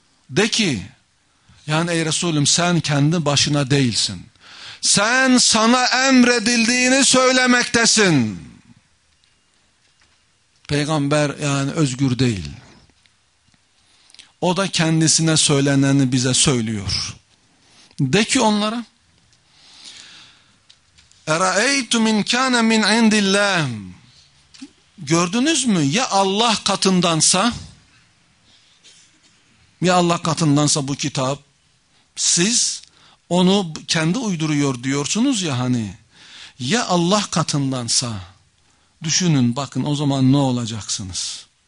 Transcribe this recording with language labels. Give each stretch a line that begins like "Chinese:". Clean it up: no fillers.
Turkish: De ki, yani ey Resulüm, sen kendi başına değilsin. Sen sana emredildiğini söylemektesin. Peygamber yani özgür değil. O da kendisine söyleneni bize söylüyor. De ki onlara,
Arabic: اَرَأَيْتُ مِنْ كَانَ مِنْ عِنْدِ اللّٰهِ.
Turkish: Gördünüz mü? Ya Allah katındansa, ya Allah katındansa bu kitap, siz onu kendi uyduruyor diyorsunuz ya hani, ya Allah katındansa, düşünün bakın o zaman ne olacaksınız?